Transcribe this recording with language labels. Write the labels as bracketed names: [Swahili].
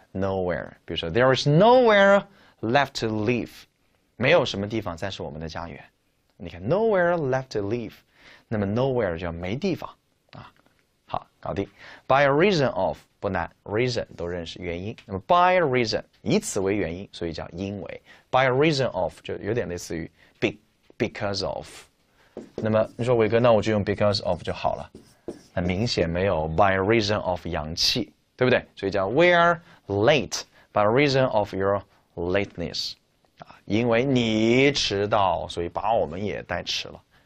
[Chinese] Nowhere，比如说 [English] There is nowhere left to live， [Chinese] 没有什么地方再是我们的家园。你看 [English] nowhere left to live， [Chinese] 那么 nowhere 叫没地方啊。好，搞定。 [English] By a reason of。 [Chinese] 不难，reason 都认识原因。那么 [English] by reason [Chinese] 以此为原因，所以叫因为。 [English] by reason of [Chinese] 就有点类似于 [English] because of。 [Chinese] 那么你说伟哥，那我就用 [English] because of [Chinese] 就好了。那明显没有 [English] by reason of [Chinese] 洋气，对不对？所以叫 [English] we're late by reason of your lateness [Chinese] 啊，因为你迟到，所以把我们也带迟了。